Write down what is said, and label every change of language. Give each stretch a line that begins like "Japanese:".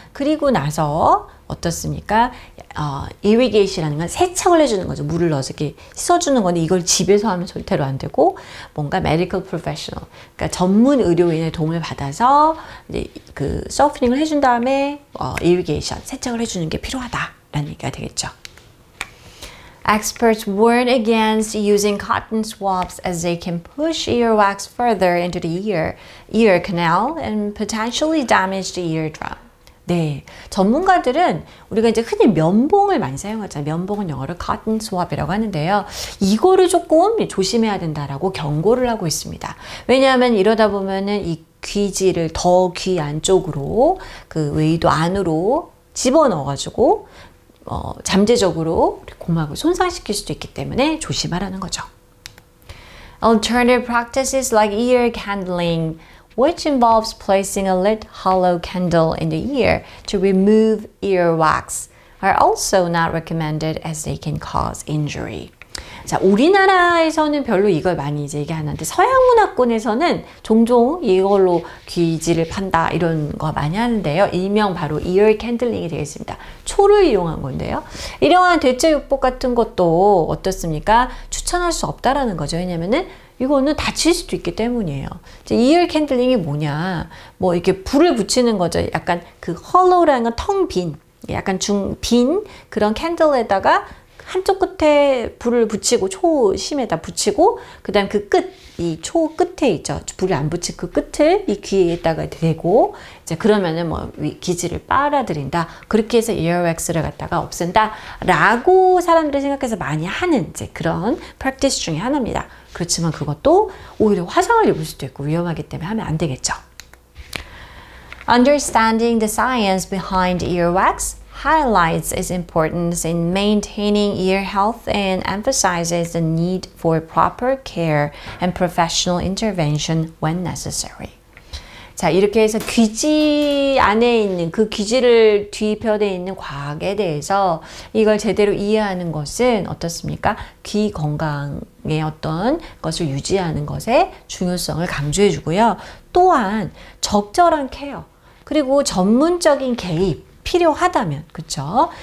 Korean: 그리고 나서 어떻습니까? 이리게이션이라는 건 세척을 해주는 거죠. 물을 넣어서 이렇게 씻어주는 건데, 이걸 집에서 하면 절대로 안 되고, 뭔가 메디컬 프로페셔널, 그러니까 전문 의료인의 도움을 받아서 이제 그 소프닝을 해준 다음에 이리게이션, 세척을 해주는 게 필요하다라는 얘기가 되겠죠.
English: Experts warn against using cotton swabs as they can push earwax further into the ear canal and potentially damage the eardrum.
Korean: 네. 전문가들은 우리가 이제 흔히 면봉을 많이 사용하잖아요. 면봉은 영어로 cotton swab이라고 하는데요. 이거를 조금 조심해야 된다라고 경고를 하고 있습니다. 왜냐하면 이러다 보면은 이 귀지를 더귀 안쪽으로 그 외이도 안으로 집어넣어가지고 잠재적으로 고막을 손상시킬 수도 있기 때문에 조심하라는 거죠.
English: Alternative practices like ear candling, which involves placing a lit hollow candle in the ear to remove earwax, are also not recommended as they can cause injury.
Korean: 자, 우리나라에서는 별로 이걸 많이 이제 얘기하는데, 서양 문화권에서는 종종 이걸로 귀지를 판다 이런 거 많이 하는데요. 일명 바로 이어 캔들링이 되겠습니다. 초를 이용한 건데요. 이러한 대체요법 같은 것도 어떻습니까? 추천할 수 없다라는 거죠. 왜냐면은 이거는 다칠 수도 있기 때문이에요. 이제 이어 캔들링이 뭐냐? 뭐 이렇게 불을 붙이는 거죠. 약간 그 헐로우라는 건텅 빈, 약간 중빈 그런 캔들에다가 한쪽 끝에 불을 붙이고, 초심에다 붙이고, 그 다음 그 끝, 이초 끝에 있죠. 불을 안 붙인 그 끝을 이 귀에다가 대고, 이제 그러면은 뭐 귀지를 빨아들인다. 그렇게 해서 이어웩스를 갖다가 없앤다. 라고 사람들이 생각해서 많이 하는 이제 그런 practice 중에 하나입니다. 그렇지만 그것도 오히려 화상을 입을 수도 있고 위험하기 때문에 하면 안 되겠죠.
English: Understanding the science behind earwax highlights its importance in maintaining ear health and emphasizes the need for proper care and professional intervention when necessary.
Korean: 자, 이렇게 해서 귀지 안에 있는, 그 귀지를 뒤표대에 있는 과학에 대해서 이걸 제대로 이해하는 것은 어떻습니까? 귀 건강의 어떤 것을 유지하는 것의 중요성을 강조해 주고요. 또한 적절한 케어, 그리고 전문적인 개입, 필요하다면, 그쵸?